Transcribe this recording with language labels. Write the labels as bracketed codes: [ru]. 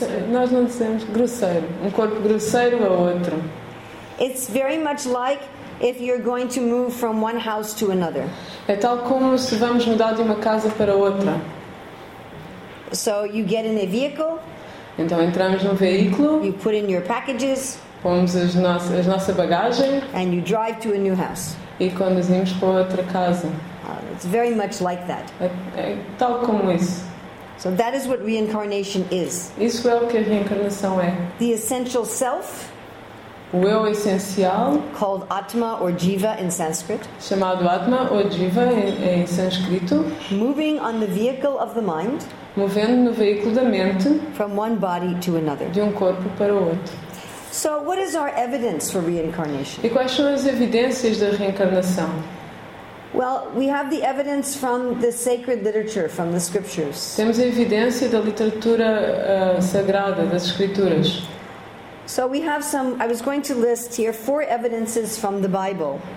[pt] Nós não dizemos grosseiro, um corpo grosseiro a outro. [en] It's very much like if you're going to move from one house to another. [pt] É tal como se vamos mudar de uma casa para outra. [en] So you get in a vehicle. [pt] Então entramos num veículo. [en] You put in your packages. [pt] Pomos as nossas bagagens. [en] And you drive to a new house. [pt] E conduzimos para outra casa. [en] It's very much like that. [pt] É tal como isso. [en] So that is what reincarnation is. [pt] Isso é o que a reencarnação é. [en] The essential self. [pt] O eu essencial, [en] called Atma or Jiva in Sanskrit, [pt] chamado Atma ou Jiva em sânscrito, [en] moving on the vehicle of the mind, [pt] movendo no veículo da mente, [en] from one body to another, [pt] de um corpo para o outro. [en] So what is our evidence for reincarnation? [pt] E quais são as evidências da reencarnação? [en] Well, we have the evidence from the sacred literature, from the scriptures. [pt] Temos a evidência da literatura sagrada, das escrituras. [en] So we have some, I was going to list here 4 evidences from the Bible.